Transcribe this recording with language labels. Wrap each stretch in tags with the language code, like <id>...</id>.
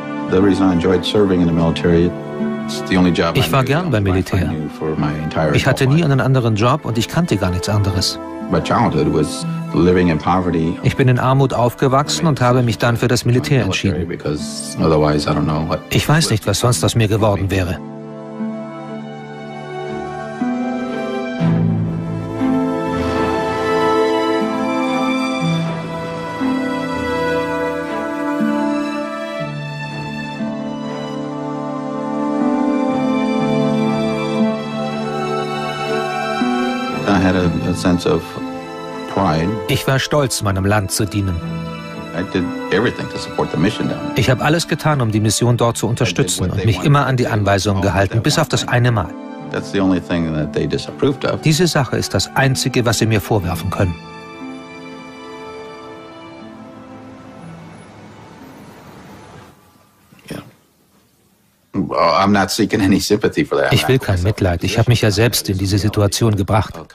<en>The reason I enjoyed serving in the military, it's the only job.</en> <de>Ich war gern beim Militär. Ich hatte nie einen anderen Job und ich kannte gar nichts anderes.</de> <en>My childhood was living in poverty.</en> <de>Ich bin in Armut aufgewachsen und habe mich dann für das Militär entschieden.</de> <en>Otherwise I don't know what.</en> <de>Ich weiß nicht, was sonst aus mir geworden wäre.</de> <en>I had a sense of pride.</en> <de>Ich war stolz, meinem Land zu dienen.</de> <en>I did everything to support the mission down there.</en> <de>Ich habe alles getan, um die Mission dort zu unterstützen und mich immer an die Anweisungen gehalten, bis auf das eine Mal.</de> <en>That's the only thing that they disapproved of.</en> <de>Diese Sache ist das Einzige, was sie mir vorwerfen können. Ich will kein Mitleid. Ich habe mich ja selbst in diese Situation gebracht.</de>